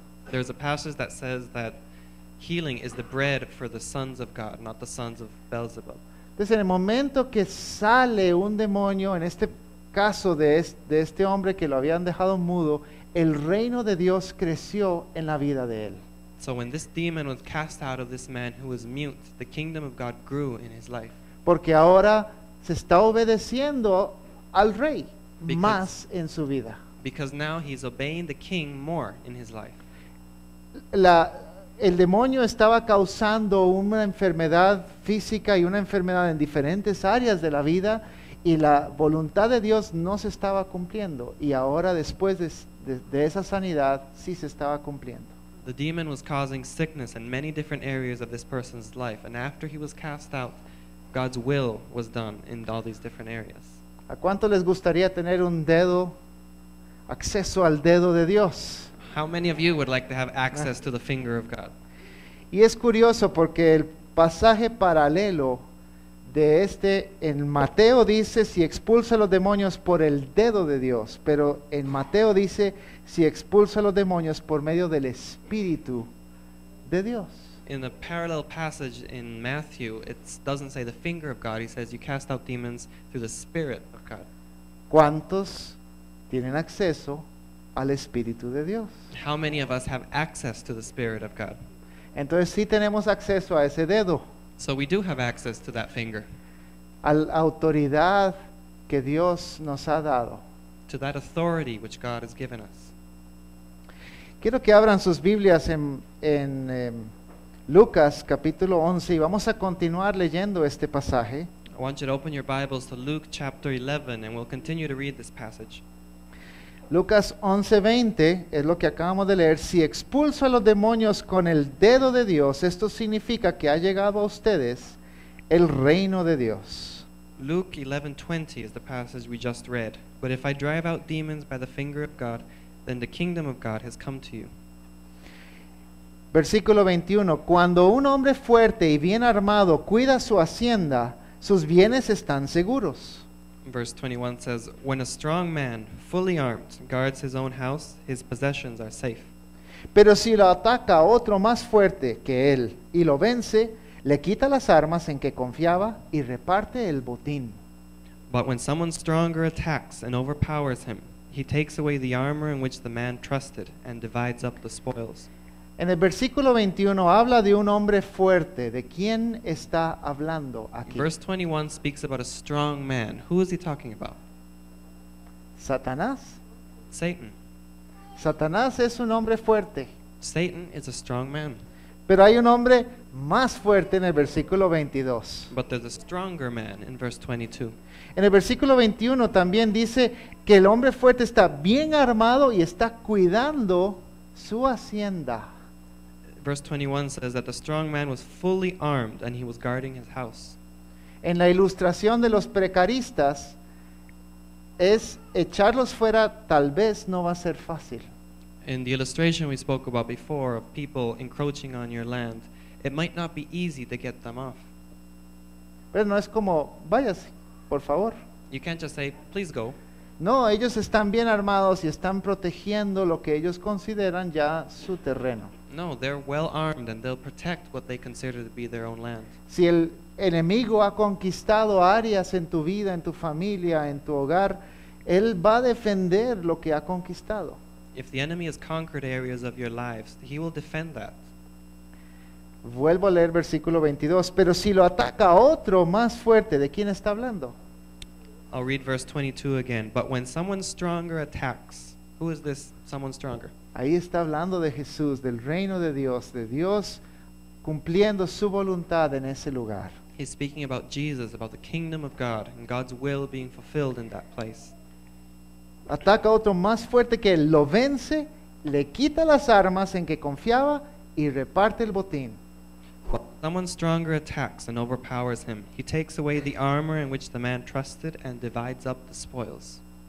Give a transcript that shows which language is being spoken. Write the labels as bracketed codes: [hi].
[en] There's a passage that says that healing is the bread for the sons of God, not the sons of Beelzebub. [es] Entonces, en el momento que sale un demonio, en este caso de este hombre que lo habían dejado mudo, el reino de Dios creció en la vida de él. [en] So when this demon was cast out of this man who was mute, the kingdom of God grew in his life. [es] Porque ahora se está obedeciendo al rey más en su vida. [en] Because now he's obeying the king more in his life. [es] El demonio estaba causando una enfermedad física y una enfermedad en diferentes áreas de la vida, y la voluntad de Dios no se estaba cumpliendo, y ahora después de esa sanidad sí se estaba cumpliendo. [en] The demon was causing sickness in many different areas of this person's life, and after he was cast out, God's will was done in all these different areas. [es] ¿A cuánto les gustaría tener un dedo, acceso al dedo de Dios? [en] How many of you would like to have access to the finger of God? [es] Y es curioso porque el pasaje paralelo de este en Mateo dice si expulsa los demonios por el dedo de Dios, pero en Mateo dice si expulsa los demonios por medio del Espíritu de Dios. [en] In the parallel passage in Matthew, it doesn't say the finger of God. He says you cast out demons through the Spirit of God. [es] ¿Cuántos tienen acceso al Espíritu de Dios? [en] How many of us have access to the Spirit of God? [es] Entonces sí tenemos acceso a ese dedo. [en] So we do have access to that finger. [es] A la autoridad que Dios nos ha dado. [en] To that authority which God has given us. [es] Quiero que abran sus Biblias en Lucas capítulo 11, y vamos a continuar leyendo este pasaje. [en] I want you to open your Bibles to Luke chapter 11 and we'll continue to read this passage. [es] Lucas 11:20 es lo que acabamos de leer. Si expulso a los demonios con el dedo de Dios, esto significa que ha llegado a ustedes el reino de Dios. [en] Luke 11:20 is the passage we just read. But if I drive out demons by the finger of God, then the kingdom of God has come to you. [es] Versículo 21. Cuando un hombre fuerte y bien armado cuida su hacienda, sus bienes están seguros. [en] Verse 21 says, when a strong man, fully armed, guards his own house, his possessions are safe. [es] Pero si lo ataca otro más fuerte que él y lo vence, le quita las armas en que confiaba y reparte el botín. [en] But when someone stronger attacks and overpowers him, he takes away the armor in which the man trusted and divides up the spoils. [es] En el versículo 21 habla de un hombre fuerte. ¿De quién está hablando aquí? [en] Verse 21 speaks about a strong man. Who is he talking about? [es] Satanás. [en] Satan. [es] Satanás es un hombre fuerte. [en] Satan is a strong man. [es] Pero hay un hombre más fuerte en el versículo 22. [en] But there's a stronger man in verse 22. [es] En el versículo 21 también dice que el hombre fuerte está bien armado y está cuidando su hacienda. [en] Verse 21 says that the strong man was fully armed and he was guarding his house. [es] En la ilustración de los precaristas, es echarlos fuera tal vez no va a ser fácil. [en] In the illustration we spoke about before of people encroaching on your land, it might not be easy to get them off. [es] Pero no es como, váyase, por favor. [en] You can't just say, please go. [es] No, ellos están bien armados y están protegiendo lo que ellos consideran ya su terreno. [en] No, they're well armed and they'll protect what they consider to be their own land. [es] Si el enemigo ha conquistado áreas en tu vida, en tu familia, en tu hogar, él va a defender lo que ha conquistado. [en] If the enemy has conquered areas of your lives, he will defend that. [es] Vuelvo a leer versículo 22, pero si lo ataca otro más fuerte, ¿de quién está hablando? [en] I'll read verse 22 again. But when someone stronger attacks, who is this someone stronger? [es] Ahí está hablando de Jesús, del reino de Dios cumpliendo su voluntad en ese lugar. [en] He's speaking about Jesus, about the kingdom of God, and God's will being fulfilled in that place. [es] Ataca otro más fuerte que él, lo vence, le quita las armas en que confiaba y reparte el botín. [en] Someone stronger attacks and overpowers him. He takes away the armor in which the man trusted and divides up the spoils.